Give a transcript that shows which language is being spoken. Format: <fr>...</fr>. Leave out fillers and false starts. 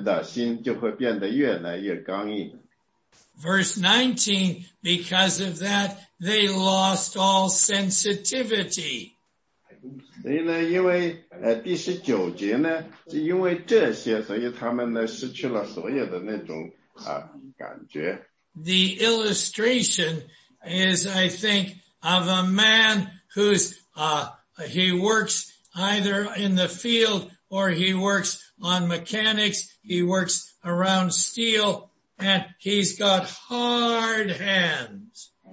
<zh>所以呢，因为这样呢，他们最后心里变得刚硬，因为他们不去讲神的真理，所以他们的心就会变得越来越刚硬。</zh> <en>Verse 19, because of that, they lost all sensitivity.</en> <zh>所以呢，因为第19节呢，是因为这些，所以他们呢失去了所有的那种感觉。</zh> <en>The illustration is, I think, of a man who's, he works either in the field or he works on mechanics, he works around steel, and he's got hard hands.</en>